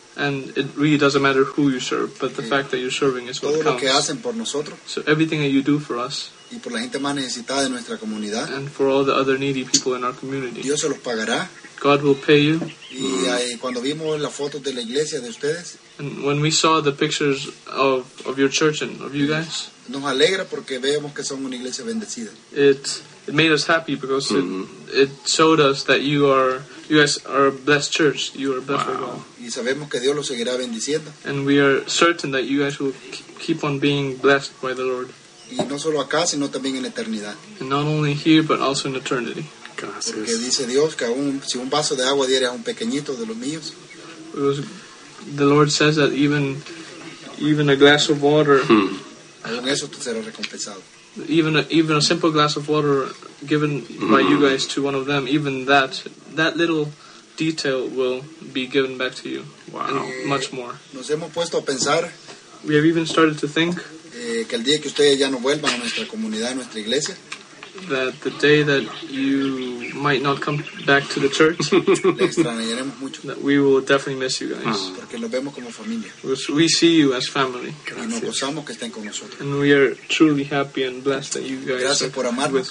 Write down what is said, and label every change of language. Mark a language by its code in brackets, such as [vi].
[en] And it really doesn't matter who you serve, but the fact that you're serving is what [es] todo [en] counts. [es] Lo que hacen por nosotros, [en] so everything that you do for us, [es] y por la gente más necesitada de nuestra comunidad, [en] and for all the other needy people in our community, [es] Dios se los pagará. [en] God will pay you. [es] Y ahí, cuando vimos las fotos de la iglesia de ustedes, [en] and when we saw the pictures of your church and of you guys, [es] nos alegra porque vemos que son una iglesia bendecida. [en] It made us happy because it showed us that you guys are a blessed church. You are blessed for God. [es] Y sabemos que Dios lo seguirá bendiciendo. [en] And we are certain that you guys will keep on being blessed by the Lord. [es] Y no solo acá, sino también en eternidad. [en] And not only here, but also in eternity. [es] Gracias. Porque dice Dios que aún si un vaso de agua diera a un pequeñito de los míos. [en] Because the Lord says that even a glass of water. [es] Aún eso tú serás recompensado. [en] Even a simple glass of water given by you guys to one of them, even that little detail will be given back to you. Wow. And much more. [es] Nos hemos puesto a pensar, [en] we have even started to think [es] que el día que ustedes ya no vuelvan a nuestra comunidad, a nuestra iglesia, [en] that the day that you might not come back to the church, that we will definitely miss you guys. [es] Porque los vemos como familia. [en] Because we see you as family. [es] Y nos gozamos que estén con nosotros. [en] And we are truly happy and blessed that you guys [es] gracias por amarnos.